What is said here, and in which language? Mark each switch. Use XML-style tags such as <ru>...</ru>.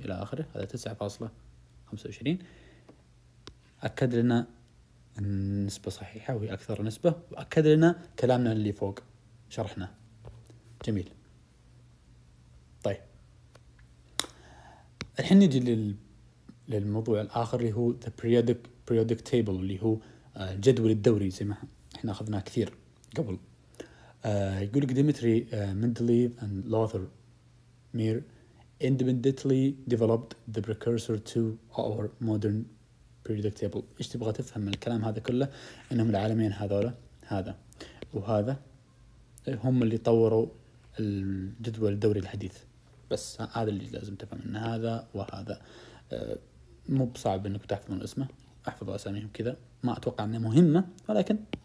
<ar>إلى آخره هذا 9.25. أكد لنا النسبة صحيحة وهي أكثر نسبة وأكد لنا كلامنا اللي فوق شرحنا. جميل. طيب الحين نجي للموضوع الآخر اللي هو</ar> <en>the periodic table</en> <ar>اللي هو الجدول الدوري زي ما إحنا أخذناه كثير قبل. يقول</ar> <en>Dmitri Mendeleev and Lothar Meyer independently developed the precursor to our modern periodic table.</en> <ar>إيش تبغى تفهم من الكلام هذا كله؟ إنهم العالمين هذولا هذا وهذا هم اللي طوروا الجدول الدوري الحديث. بس هذا اللي لازم تفهم إن هذا وهذا مو بصعب إنك تحفظ اسمه. أحفظ أساميهم كذا ما أتوقع إنه مهمة ولكن</ar>